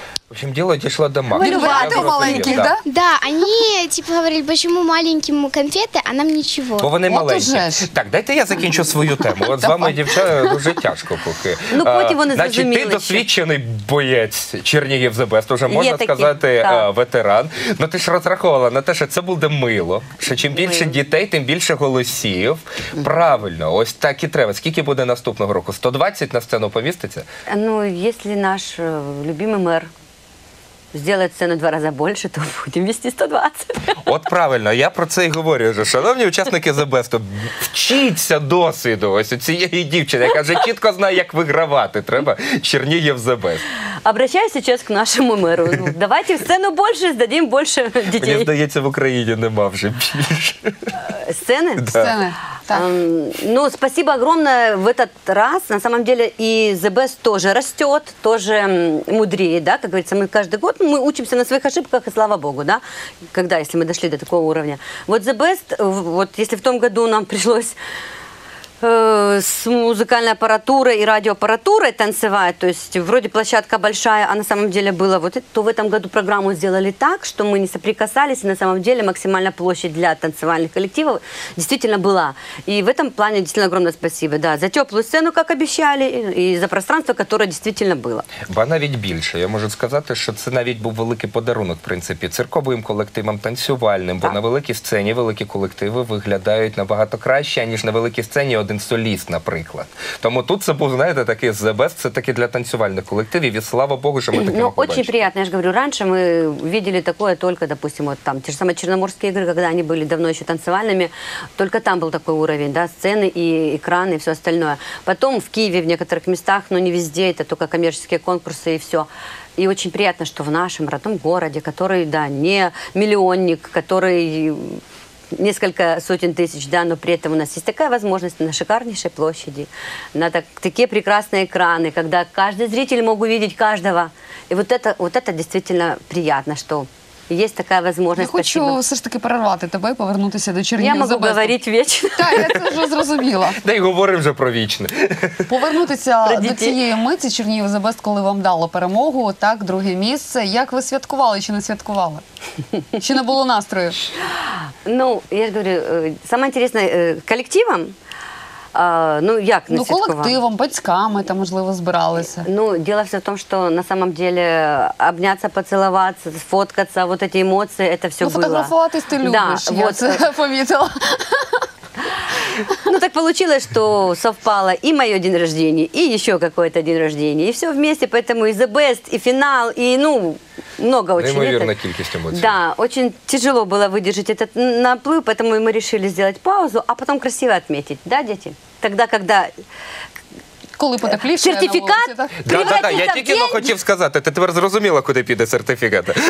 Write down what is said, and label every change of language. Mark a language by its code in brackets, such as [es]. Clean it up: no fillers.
[ru] В общем, дело дошло до мамы. Ну, а ты маленький, да? Да, они типа говорили, почему маленьким конфеты, а нам ничего. [uk] Бо вони маленькі. Так, дайте я закінчу свою тему. От з вами, дівчата, дуже тяжко поки. Ну, потім вони зрозуміли. Значить, ти досвідчений боєць Чернігів ЗБС, вже можна сказати, ветеран. Ну, ти ж розраховувала на те, що це буде мило, що чим більше дітей, тим більше голосів. Правильно, ось так і треба. Скільки буде наступного року? 120 на сцену поміститься? Ну, якщо наш любимий мер зробити сцену два рази більше, то будемо вести 120. От правильно, я про це і говорю. Шановні учасники ЗБС, вчіться досвіду ось цієї дівчини, яка вже чітко знає, як вигравати треба Чернігів ЗБС. [ru] Обращаюсь сейчас к нашему мэру. Ну, давайте в сцену больше, сдадим больше детей. Мне кажется, в Украине [uk] нема вже більше. [ru] Сцены? Да. Сцены. Ну, спасибо огромное в этот раз. На самом деле и ЗБС тоже растет, тоже мудрее, да, как говорится, мы каждый год, мы учимся на своих ошибках, и слава богу, да, когда, если мы дошли до такого уровня. Вот ЗБС, вот если в том году нам пришлось с музыкальной аппаратурой и радиоаппаратурой танцевать, то есть вроде площадка большая, а на самом деле было вот это, то в этом году программу сделали так, что мы не соприкасались, и на самом деле максимальная площадь для танцевальных коллективов действительно была. И в этом плане действительно огромное спасибо, да, за теплую сцену, как обещали, и за пространство, которое действительно было. [uk] Ба навіть більше, я можу сказати, що це навіть був великий подарунок, в принципі, цирковим колективам, танцювальним, бо на великій сцені великі колективи виглядають набагато краще, ніж на великій сцені один соліст, наприклад. Тому тут це був, знаєте, такий ЗБС, це таки для танцювальних колективів, і слава Богу, що ми таке побачили. Ну, дуже приємно, я ж говорю, раніше ми бачили таке тільки, допустим, от там, ті ж самі Чорноморські ігри, коли вони були давно ще танцювальними, тільки там був такий рівень, да, сцени і екрани, і [ru] все остальное. [uk] Потім в Києві, в деяких містах, ну, [ru] не везде, [uk] це тільки комерційні конкурси і все. [ru] И очень приятно, что в нашем родном городе, который, да, не миллионник, который несколько сотен тысяч, да, но при этом у нас есть такая возможность на шикарнейшей площади, на такие прекрасные экраны, когда каждый зритель мог увидеть каждого. И вот это действительно приятно, что [uk] є така можливість. Я хочу все ж таки перервати тебе і повернутися до Чернігів. Я можу говорити вічно. Так, я це вже зрозуміла. Та й говоримо вже про вічне. Повернутися до цієї миті Чернігів ЗБЕСТ, коли вам дало перемогу, так, друге місце. Як ви святкували чи не святкували? Чи не було настрою? Ну, я ж говорю, саме цікаве колективом. Ну, як не святкував? Ну, колективом, батьками там, можливо, збиралися. Ну, діло все в тому, що [ru] на самом деле обняться, [uk] поцілуватися, фоткатися, [ru] вот эти [uk] емоції, это все було. Ну, фотографуватись ти любиш, [ru] да, [uk] я вот це помітила. [ru] Ну, [uk] так вийшло, [ru] що совпало і моє день рождения, і ще какой-то день рождения, і все вместе, поэтому і The Best, і фінал, і, ну, много очень. [uk] Неймовірна кількість емоцій. [ru] Да, очень тяжело было выдержать этот наплыв, поэтому мы решили сделать паузу, а потом красиво отметить, да, дети? Тогда, когда [uk] коли потепліше, сертифікат привратиться в день. Я тільки хотів сказати, ти тепер зрозуміла, куди піде сертифікат.